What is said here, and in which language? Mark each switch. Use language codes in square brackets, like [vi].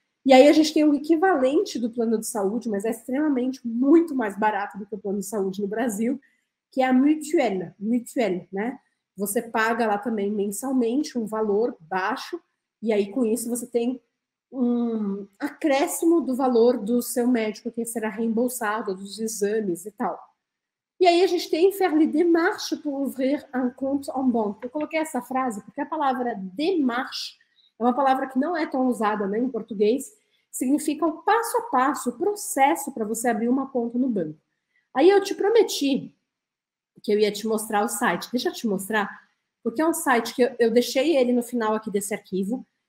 [pt] E aí a gente tem o equivalente do plano de saúde, mas é extremamente muito mais barato do que o plano de saúde no Brasil, que é a Mutuelle, né? Você paga lá também mensalmente um valor baixo, e aí com isso você tem um acréscimo do valor do seu médico, que será reembolsado dos exames e tal. E aí a gente tem [fr] faire les démarches pour ouvrir un compte en banque. [pt] Eu coloquei essa frase porque a palavra démarche é uma palavra que não é tão usada, né, em português. Significa o passo a passo, o processo para você abrir uma conta no banco. Aí eu te prometi que eu ia te mostrar o site. Deixa eu te mostrar, porque é um site que eu deixei ele no final aqui desse arquivo.